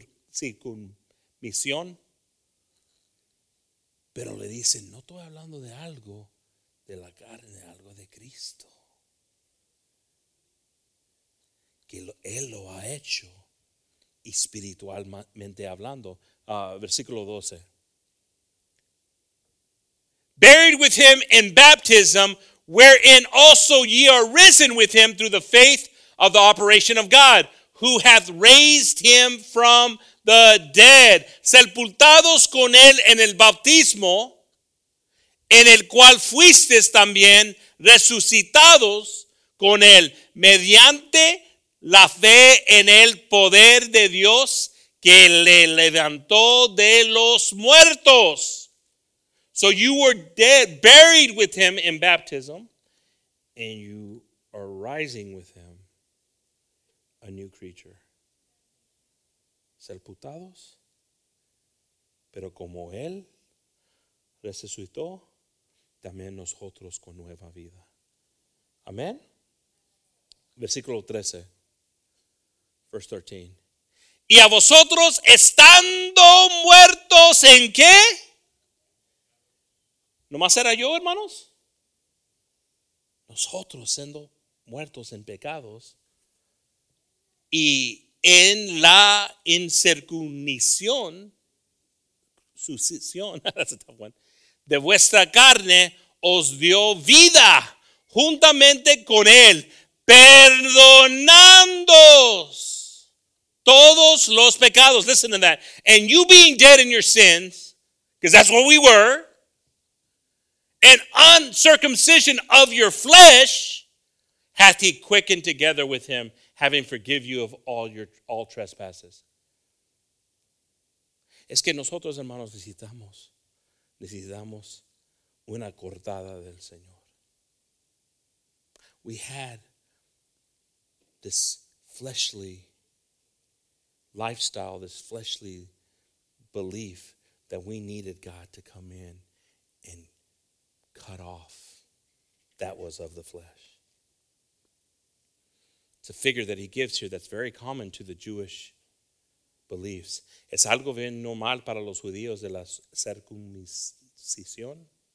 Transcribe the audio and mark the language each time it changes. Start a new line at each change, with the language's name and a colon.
Spanish: Circuncisión, pero le dicen, no estoy hablando de algo de la carne, algo de Cristo, que él lo ha hecho espiritualmente hablando. Versículo 12.
English: Buried with him in baptism, wherein also ye are risen with him through the faith of the operation of God, who hath raised him from the dead,
Spanish: sepultados con él en el bautismo, en el cual fuisteis también resucitados con él, mediante la fe en el poder de Dios que le levantó de los muertos.
English: So you were dead, buried with him in baptism, and you are rising with him, a new creature.
Spanish: Sepultados, pero como él resucitó, también nosotros con nueva vida. Amén. Versículo 13.
English: Verse 13.
Spanish: Y a vosotros estando muertos en qué? ¿Nomás era yo, hermanos? Nosotros siendo muertos en pecados y en la incircuncisión, sucesión,
English: that's a tough one,
Spanish: de vuestra carne, os dio vida juntamente con él, perdonándoos todos los pecados.
English: Listen to that. And you being dead in your sins, because that's what we were, and uncircumcision of your flesh, hath he quickened together with him, having forgive you of all trespasses.
Spanish: Es que nosotros, hermanos, necesitamos una cortada del Señor.
English: We had this fleshly lifestyle, this fleshly belief that we needed God to come in and cut off that was of the flesh. It's a figure that he gives here that's very common to the Jewish beliefs.
Spanish: Es algo bien normal para los judíos de la circuncisión.